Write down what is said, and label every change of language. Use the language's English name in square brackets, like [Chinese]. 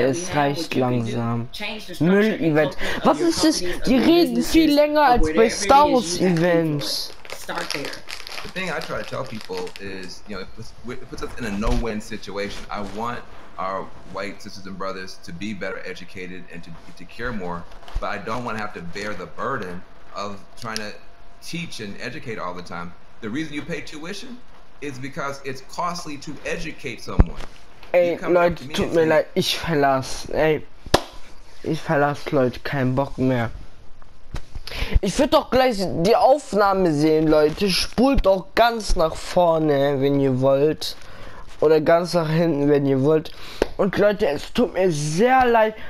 [German] Es reicht langsam. Müll-Event. Was ist das? Die reden viel länger als bei Star Wars-Events. [English] The thing I try to tell people is, you know, it puts us in a no-win situation. I want our white sisters and brothers to be better educated and to care more, but I don't want to have to bear the burden of trying to teach and educate all the time. The reason you pay tuition is because it's costly to educate someone. [German] Ey, Leute, tut mir leid, ich verlasse. Ey, ich verlasse, Leute, keinen Bock mehr. Ich würde doch gleich die Aufnahme sehen, Leute. Spult doch ganz nach vorne, wenn ihr wollt. Oder ganz nach hinten, wenn ihr wollt. Und Leute, es tut mir sehr leid.